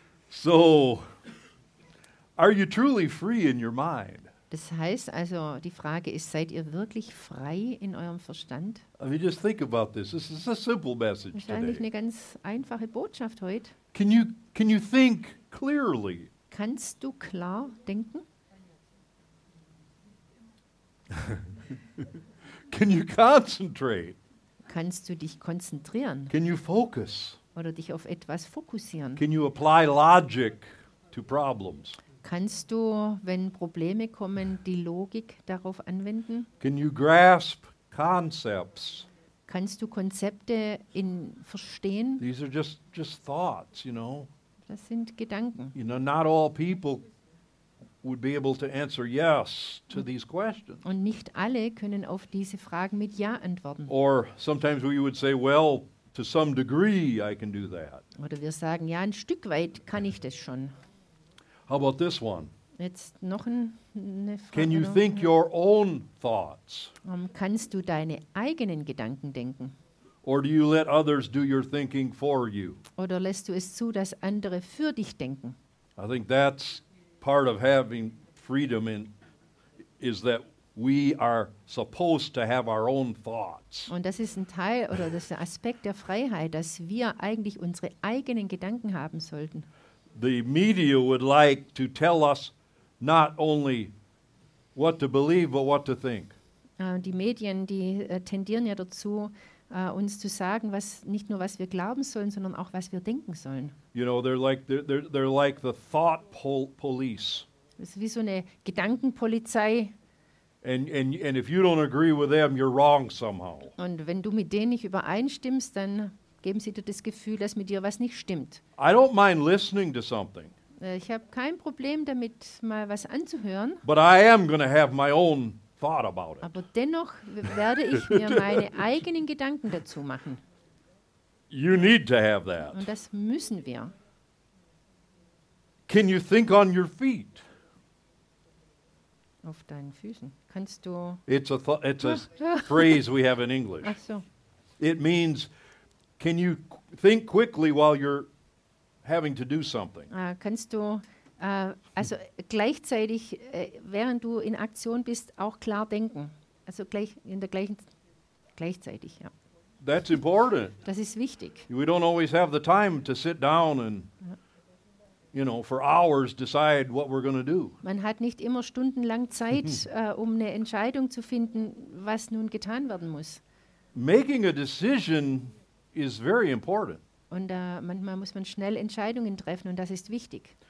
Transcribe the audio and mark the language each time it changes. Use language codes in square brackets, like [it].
[en] So, are you truly free in your mind? [de] Das heißt also, die Frage ist, seid ihr wirklich frei in eurem Verstand? [en] I mean, just think about this. This is a simple message today. [de] Das ist eigentlich eine ganz einfache Botschaft heute. [en] Can you think clearly? [de] Kannst du klar denken? [en] Can you concentrate? [de] Kannst du dich konzentrieren? [en] Can you focus? [de] Oder dich auf etwas fokussieren? [en] Can you apply logic to problems? [de] Kannst du, wenn Probleme kommen, die Logik darauf anwenden? [en] Can you grasp concepts? [de] Kannst du Konzepte verstehen? [en] These are just thoughts, you know. [de] Das sind Gedanken. [en] You know, not all people would be able to answer yes to these questions. [de] Und nicht alle können auf diese Fragen mit Ja antworten. [en] Or sometimes we would say, well, to some degree I can do that. [de] Oder wir sagen, ja, ein Stück weit kann ich das schon. [en] How about this one? [de] Jetzt noch eine Frage. [en] Can you think your own thoughts? [de] Kannst du deine eigenen Gedanken denken? [en] Or do you let others do your thinking for you? [de] Oder lässt du es zu, dass andere für dich denken? [en] I think that's part of having freedom in is that we are supposed to have our own thoughts. [de] Und das ist ein Teil oder das ist ein Aspekt der Freiheit, dass wir eigentlich unsere eigenen Gedanken haben sollten. [en] the media would like to tell us not only what to believe, but what to think. [de] Die Medien, die tendieren ja dazu, uns zu sagen, was nicht nur was wir glauben sollen, sondern auch was wir denken sollen. [en] You know, they're like the thought police. [de] Das ist wie so eine Gedankenpolizei. [en] And if you don't agree with them, you're wrong somehow. [de] Und wenn du mit denen nicht übereinstimmst, dann geben sie dir das Gefühl, dass mit dir was nicht stimmt. [en] I don't mind listening to something. [de] Ich habe kein Problem damit, mal was anzuhören. [en] But I am going to have my own thought about it. [de] Aber dennoch werde ich mir meine eigenen Gedanken dazu machen. [en] You need to have that. [de] Und das müssen wir. [en] Can you think on your feet? [de] Auf deinen Füßen. Kannst du... [en] It's a phrase we have in English. [de] Ach so. [en] It means, can you think quickly while you're having to do something? [de] Kannst du also gleichzeitig, während du in Aktion bist, auch klar denken? Also gleich in der gleichen... Gleichzeitig, ja. [en] That's important. [de] Das ist wichtig. [en] We don't always have the time to sit down and... Ja. You know, for hours decide what we're going to do. [de] Man hat nicht immer stundenlang Zeit, um eine Entscheidung zu finden, was nun getan werden muss. [en] Making a decision is very important. [de] Und manchmal muss man schnell Entscheidungen treffen, und das ist wichtig.